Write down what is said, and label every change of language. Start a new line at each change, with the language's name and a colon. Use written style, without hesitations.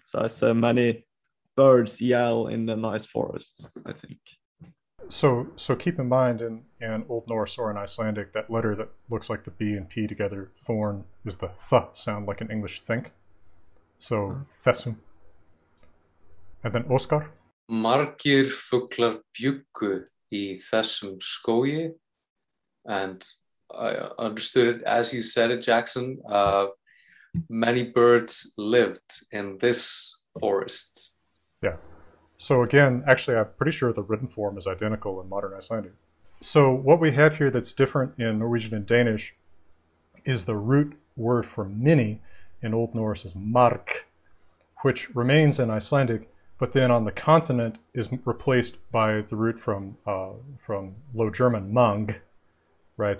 English: So I said many birds yell in the nice forest, I think. So keep in mind in Old Norse or in Icelandic, that letter that looks like the B and P together, thorn, is the th sound, like in English, think. So, fessum. And then Óskar?
Icelandic: Margir fuglar bjuggu í þessum skógi.
English: And I understood it, as you said it, Jackson, many birds lived in this forest. Yeah. So again, actually, I'm pretty sure the written form is identical in modern Icelandic. So what we have here that's different in Norwegian and Danish is the root word for many in Old Norse is mark, which remains in Icelandic, but then on the continent is replaced by the root from Low German, mang, right?